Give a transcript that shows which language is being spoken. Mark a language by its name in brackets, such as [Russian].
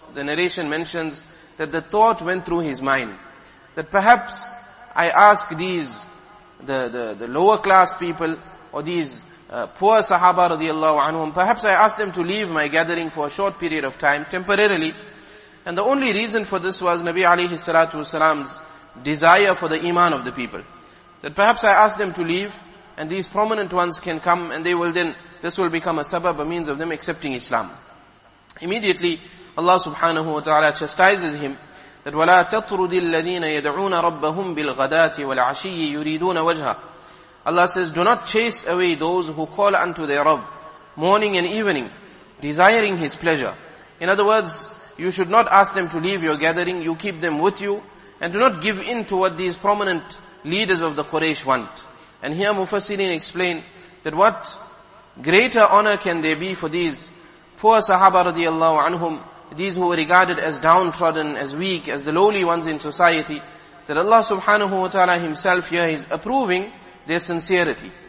[English] The narration mentions that the thought went through his mind that perhaps I ask these, the lower class people, or these poor sahaba radiallahu anhum, perhaps I ask them to leave my gathering for a short period of time, temporarily. And the only reason for this was Nabi alayhi salatu wasalam's desire for the iman of the people. That perhaps I ask them to leave, and these prominent ones can come, and they will then, this will become a sabab, a means of them accepting Islam. Immediately, Allah subhanahu wa ta'ala chastises him that [Arabic] وَلَا تَطْرُدِ الَّذِينَ يَدْعُونَ رَبَّهُمْ بِالْغَدَاتِ وَالْعَشِيِّ يُرِيدُونَ وَجْهَةِ. [English] Allah says, do not chase away those who call unto their Rabb morning and evening, desiring His pleasure. In other words, you should not ask them to leave your gathering, you keep them with you, and do not give in to what these prominent leaders of the Quraysh want. And here Mufassirin explain that what greater honor can there be for these poor sahaba radiallahu anhum, these who were regarded as downtrodden, as weak, as the lowly ones in society, that Allah subhanahu wa ta'ala himself here is approving their sincerity.